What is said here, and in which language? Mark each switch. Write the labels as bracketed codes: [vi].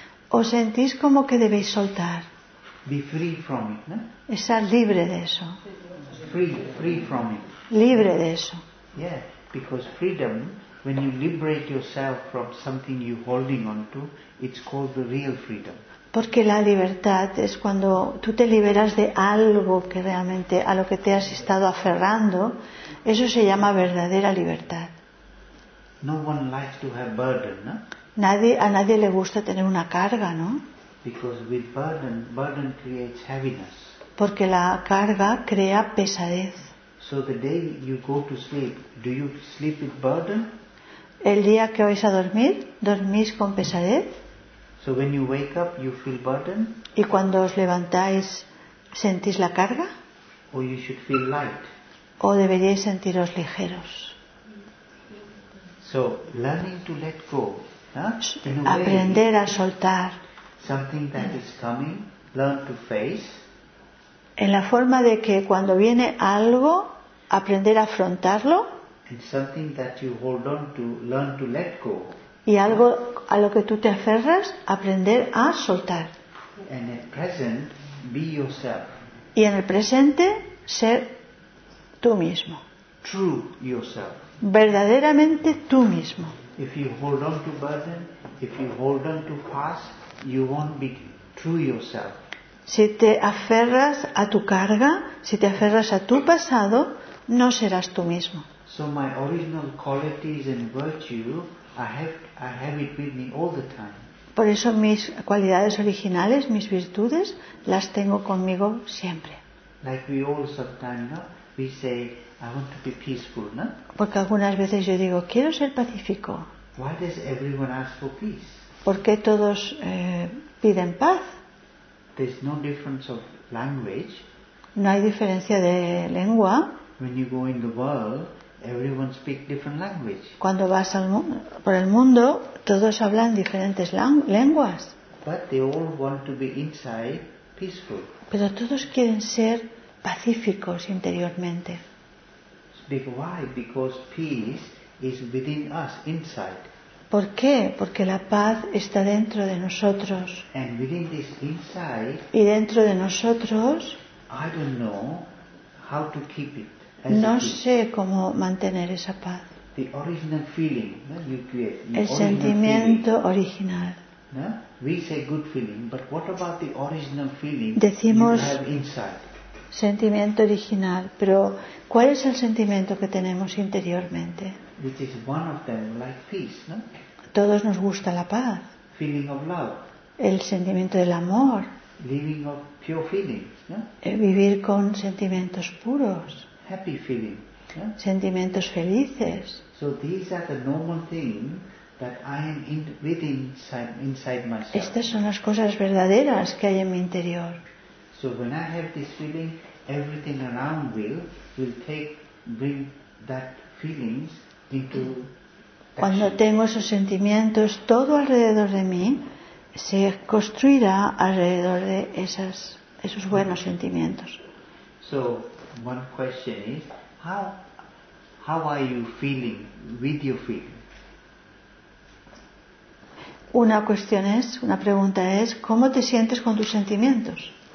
[es] ¿O sentís como que debéis soltar? [en] Be free from it, no? [es] Estar libre de eso. [en] Free from it. [es] Libre de eso. [en] Yeah, because freedom, when you liberate yourself from something you're holding on to, it's called the real freedom. [es] Porque la libertad es cuando tú te liberas de algo que realmente a lo que te has estado aferrando, eso se llama verdadera libertad. [en] No one likes to have burden, no? [es] A nadie le gusta tener una carga, ¿no? [en] Because with burden creates heaviness. [es] Porque la carga crea pesadez. [en] So the day you go to sleep, do you sleep with burden? [es] El día que vais a dormir, ¿dormís con pesadez? [en] So when you wake up, you feel burden. [es] ¿Y cuando os levantáis sentís la carga? [en] Or you should feel light. [es] ¿O deberíais sentiros ligeros? [en] So learning to let go, [es] aprender a soltar. [en] Something that is coming, learn to face. [es] En la forma de que cuando viene algo, aprender a afrontarlo. [en] And something that you hold on to, learn to let go. [es] Y algo a lo que tú te aferras, aprender a soltar. [en] In the present, be yourself. [es] Y en el presente, ser tú mismo. [en] True yourself. [es] Verdaderamente tú mismo. [en] If you hold on to burden, if you hold on to past, you won't be true yourself. [es] Si te aferras a tu carga, si te aferras a tu pasado, no serás tú mismo. [en] So my original qualities and virtue, I have it with me all the time. [es] Por eso mis cualidades originales, mis virtudes, las tengo conmigo siempre. [en] Like we all sometimes, no? We say, I want to be peaceful, no? [es] Porque algunas veces yo digo, quiero ser pacífico. [en] Why does everyone ask for peace? [es] ¿Por qué todos piden paz? [en] There's no difference of language. [es] No hay diferencia de lengua. [en] When you go in the world, everyone speaks different language. [es] Cuando vas por el mundo, todos hablan diferentes lenguas. [en] But they all want to be inside peaceful. [es] Pero todos quieren ser pacíficos interiormente. [en] Why? Because peace is within us inside. [es] ¿Por qué? Porque la paz está dentro de nosotros. [en] And within this inside, [es] y dentro de nosotros, [en] I don't know how to keep it. [es] No sé cómo mantener esa paz. [en] The original feeling that you create. The [es] el sentimiento original. [en] We say good feeling, but what about the original feeling [es] decimos [en] you have inside? [es] Sentimiento original, pero ¿cuál es el sentimiento que tenemos interiormente? [en] Which is one of them, like peace, no? [es] Todos nos gusta la paz. [en] Feeling of love. [es] El sentimiento del amor. [en] Living of pure feelings, no? [es] Vivir con sentimientos puros. [en] Happy feeling, no? [es] Sentimientos felices. [en] So these are the normal things that I am inside myself. [es] Estas son las cosas verdaderas que hay en mi interior. [en] So when I have this feeling, everything around will take bring that feelings into action. [es] Cuando tengo esos sentimientos, todo alrededor de mí se construirá alrededor de esos buenos sentimientos. [en] So one question is how are you feeling with your feelings? [es] Una pregunta es ¿cómo te sientes con tus sentimientos?